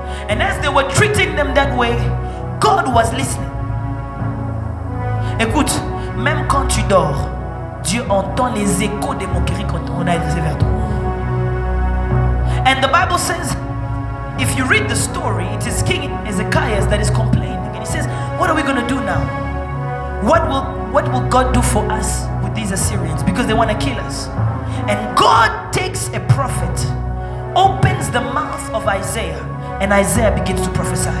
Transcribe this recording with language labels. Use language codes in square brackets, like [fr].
[en] And as they were treating them that way, God was listening. [fr] Écoute, même quand tu dors, Dieu entend les échos des moqueries quand on a été vers toi. [en] And the Bible says, if you read the story, it is King Ezekiah that is complaining. And he says, what are we going to do now? What will God do for us with these Assyrians? Because they want to kill us. And God takes a prophet, opens the mouth of Isaiah, and Isaiah begins to prophesy.